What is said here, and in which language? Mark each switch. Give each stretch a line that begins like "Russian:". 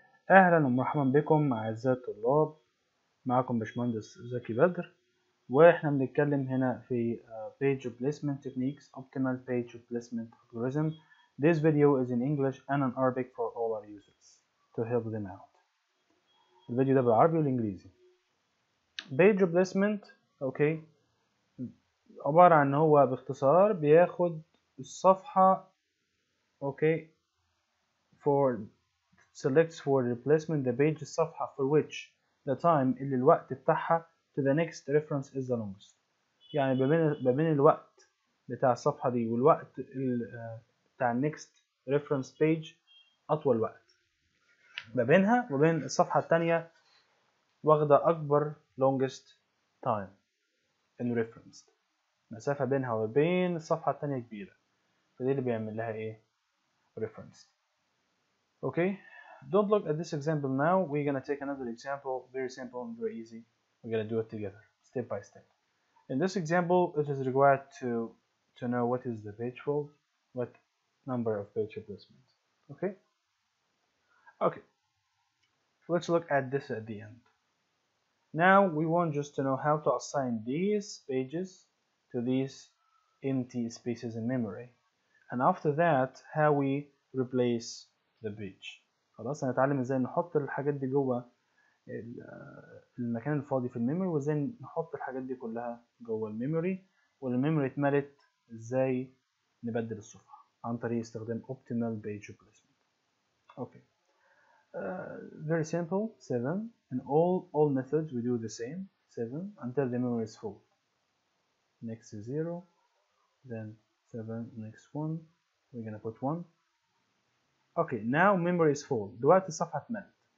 Arabic: اهلا ومرحبا بكم اعزائي الطلاب، معكم باشمهندس زكي بدر، واحنا بنتكلم هنا في
English: page placement techniques optimal page placement algorithm. This video is in English and in Arabic for all our users to help them out.
Arabic: الفيديو ده بالعربي والانجليزي.
English: Page placement okay
Arabic: عبارة عن هو باختصار بياخد الصفحة
English: okay for selects for replacement the page
Arabic: الصفحة
English: for which the time
Arabic: اللي الوقت بتاعها
English: to the next reference is the longest.
Arabic: يعني ما بين الوقت بتاع الصفحة دي والوقت بتاع
English: next reference page
Arabic: أطول وقت ما بينها وبين الصفحة التانية واخدة أكبر
English: longest time in reference.
Arabic: مسافة بينها وبين الصفحة التانية كبيرة، فدي اللي بيعمل لها ايه؟ reference.
English: Okay, don't look at this example now. We're gonna take another example, very simple and very easy. We're gonna do it together, step by step. In this example, it is required to know what is the page fault, what number of page replacement. Okay? Okay. Let's look at this at the end. Now, we want just to know how to assign these pages to these empty spaces in memory. And after that, how we replace the page.
Arabic: خلاص هنتعلم ازاي نحط الحاجات دي جوه المكان الفاضي في الميموري، وازاي نحط الحاجات دي كلها جوه الميموري، والميموري اتملت ازاي نبدل الصفحة عن طريق استخدام
English: optimal page replacement. Okay. Very simple. 7 and all methods we do the same. 7 until the memory is full. Next is 0, then 7, next 1, we're gonna put 1. Okay, now memory is full.
Arabic: دلوقتي الصفحة اتملت.